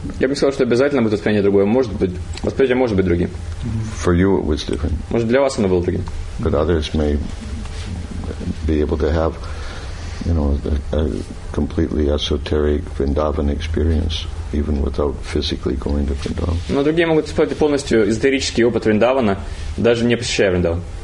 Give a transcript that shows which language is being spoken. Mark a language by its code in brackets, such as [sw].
[ru] Я бы сказал, что обязательно будет восприятие другое. Может быть, восприятие может быть другим. [en] For you it was different. [ru] Может, для вас оно было другим. [en] But others may be able to have, you know, a completely esoteric Vrindavan experience, even without physically going to Vrindavan. [ru] Но другие могут испытать полностью эзотерический опыт Вриндавана, даже не посещая Вриндаван.